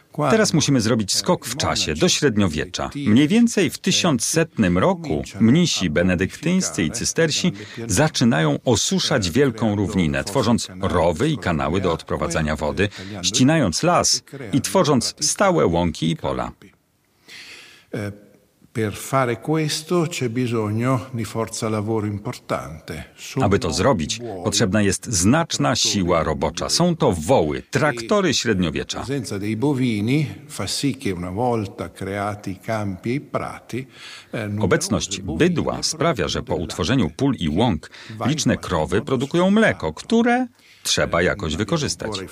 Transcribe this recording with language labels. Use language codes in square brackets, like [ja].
[pl] Teraz musimy zrobić skok w czasie, do średniowiecza. Mniej więcej w 1100 roku mnisi benedyktyńscy i cystersi zaczynają osuszać wielką równinę, tworząc rowy i kanały do odprowadzania wody, ścinając las i tworząc stałe łąki i pola. [it] Per fare questo c'è bisogno di forza lavoro importante. [pl] Aby to zrobić, potrzebna jest znaczna siła robocza. Są to woły, traktory średniowiecza. [it] Presenza dei bovini fa sì che una volta creati i campi e i prati. [pl] Obecność bydła sprawia, że po utworzeniu pól i łąk liczne krowy produkują mleko, które trzeba jakoś wykorzystać.